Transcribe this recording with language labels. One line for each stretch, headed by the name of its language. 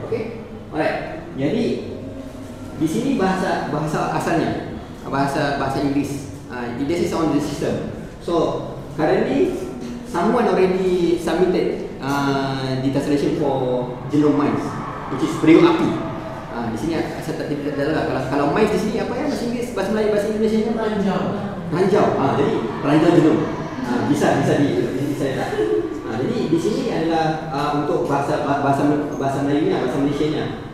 Indonesian: Okay, alright, jadi di sini bahasa asalnya, bahasa Inggris.
English: This is on the system. So, currently, someone already submitted di translation for jelung mice, which is periuk api.
Indonesian: Di sini saya tidak dalam kalau mice di sini apa ya bahasa Inggris, bahasa Melayu, bahasa Indonesia nya ranjau. Ranjau. Jadi ranjau jelung. Bisa di sini saya. Jadi di sini adalah untuk bahasa Melayu nya, bahasa Malaysia nya.